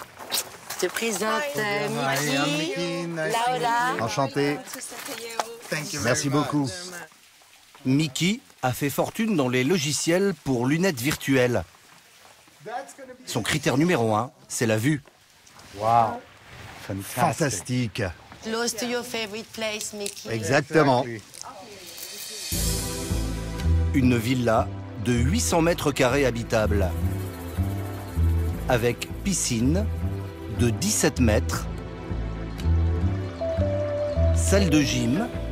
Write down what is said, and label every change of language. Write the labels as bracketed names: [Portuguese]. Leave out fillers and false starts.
[French] Je te présente Mickey. Laura. Enchantée. Merci beaucoup. Mickey a fait fortune dans les logiciels pour lunettes virtuelles. Son critère numéro un, c'est la vue. Waouh! Fantastique. [English] Close to your favorite place, Mickey. [French] Exactement. Une villa de 800 mètres carrés habitable. Avec piscine de 17 mètres. Salle de gym.